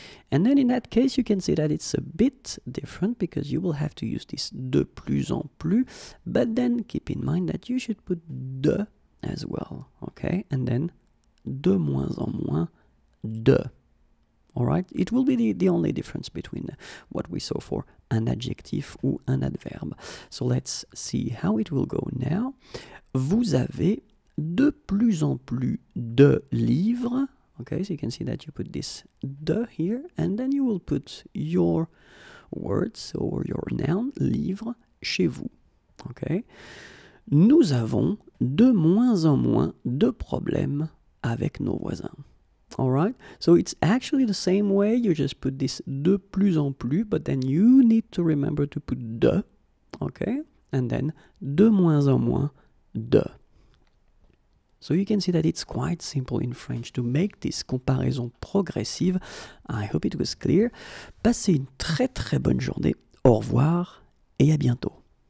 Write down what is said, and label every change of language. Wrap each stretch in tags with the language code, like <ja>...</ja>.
<en>And then in that case, you can see that it's a bit different, because you will have to use this</en> <fr>de plus en plus,</fr> <en>but then keep in mind that you should put</en> <fr>de</fr> <en>as well, okay? And then</en> <fr>de moins en moins, de.</fr> <en>Alright? It will be the only difference between what we saw for an adjective</en> <fr>ou un adverb.</fr> <en>So let's see how it will go now.</en> <fr>Vous avez de plus en plus de livres.</fr> <en>Okay, so you can see that you put this de here, and then you will put your words or your noun,</en> <fr>livre, chez vous.</fr> <en>Okay.</en> <fr>Nous avons de moins en moins de problèmes avec nos voisins.</fr> <en>Alright, so it's actually the same way, you just put this</en> <fr>de plus en plus,</fr> <en>but then you need to remember to put de, okay, and then</en> <fr>de moins en moins de.</fr> <en>So you can see that it's quite simple in French to make this comparaison progressive. I hope it was clear.</en> <fr>Passez une très très bonne journée. Au revoir et à bientôt.</fr>